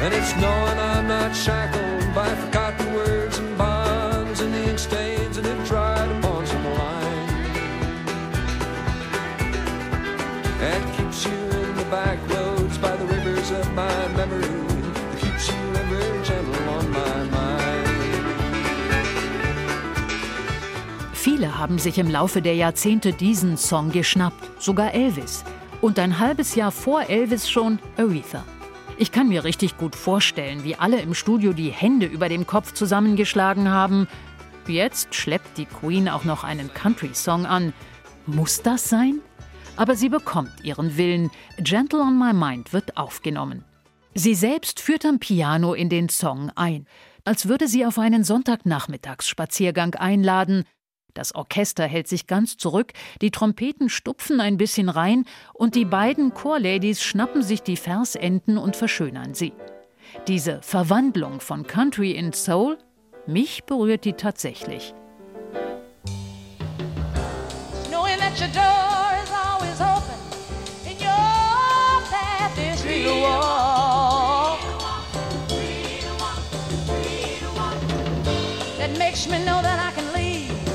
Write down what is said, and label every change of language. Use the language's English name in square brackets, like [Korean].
[English] And it's knowing I'm not shackled by forgotten words and bonds and ink stains and it dried upon some line. That keeps you in the back roads by the rivers of my memory. That keeps you ever gentle on my mind. [German] Viele haben sich im Laufe der Jahrzehnte diesen Song geschnappt, sogar Elvis. Und ein halbes Jahr vor Elvis schon Aretha. Ich kann mir richtig gut vorstellen, wie alle im Studio die Hände über dem Kopf zusammengeschlagen haben. Jetzt schleppt die Queen auch noch einen Country-Song an. Muss das sein? Aber sie bekommt ihren Willen. Gentle on My Mind wird aufgenommen. Sie selbst führt am Piano in den Song ein, als würde sie auf einen Sonntagnachmittagsspaziergang einladen. Das Orchester hält sich ganz zurück, die Trompeten stupfen ein bisschen rein und die beiden Chorladies schnappen sich die Versenden und verschönern sie. Diese Verwandlung von Country in Soul, mich berührt die tatsächlich. [English] Knowing that your door is always open and your path is free to walk. That makes me know that I can leave